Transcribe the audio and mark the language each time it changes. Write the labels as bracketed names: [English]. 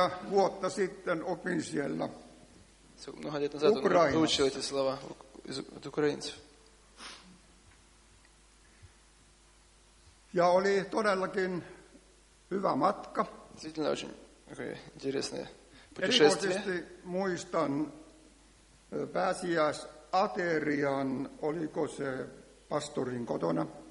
[Finnish] Vuotta sitten opin siellä. No hän tietää saatu tuutsioita [Ukrainian] slava ukrainsi. [Finnish] Ja oli todellakin hyvä matka. [Russian] действительно очень такое интересное путешествие. [Finnish] Muistan pääsiäis aterian, oliko se pastorin kotona?